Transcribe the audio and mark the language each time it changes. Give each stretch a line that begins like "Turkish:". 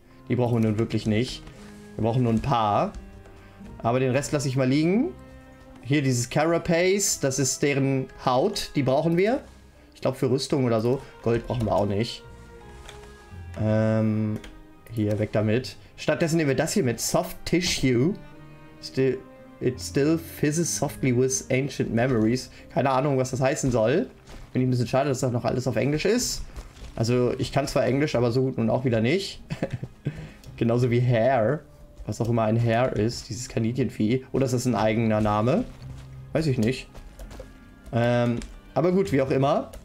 German: Die brauchen wir nun wirklich nicht. Wir brauchen nur ein paar. Aber den Rest lasse ich mal liegen. Hier, dieses Carapace. Das ist deren Haut. Die brauchen wir. Ich glaube, für Rüstung oder so. Gold brauchen wir auch nicht. Hier, weg damit. Stattdessen nehmen wir das hier mit Soft Tissue.
English: It still fizzes softly with ancient memories.
German: Keine Ahnung, was das heißen soll. Bin ich ein bisschen schade, dass das noch alles auf Englisch ist. Also, ich kann zwar Englisch, aber so gut nun auch wieder nicht. Genauso wie Hare. Was auch immer ein Hare ist, dieses Kaninchenvieh. Oder ist das ein eigener Name? Weiß ich nicht. Aber gut, wie auch immer.